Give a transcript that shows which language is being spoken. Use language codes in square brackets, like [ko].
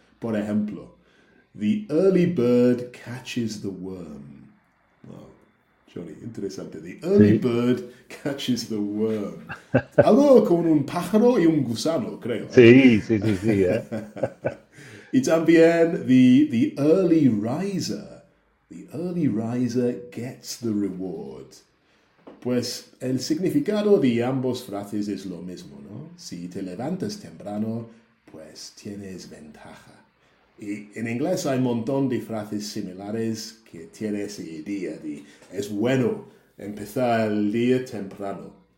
[es] Por ejemplo, [en] the early bird catches the worm. Wow, Johnny, [es] interesante. [en] The early ¿sí? bird catches the worm. [es] Algo con un pájaro y un gusano, creo. Sí. Y también [en] the early riser. The early riser gets the reward. [es] Pues el significado de ambos frases es lo mismo, ¿no? Si te levantas temprano, pues tienes ventaja. Y en inglés hay un montón de frases similares que tienen ese idea de es bueno empezar el día temprano.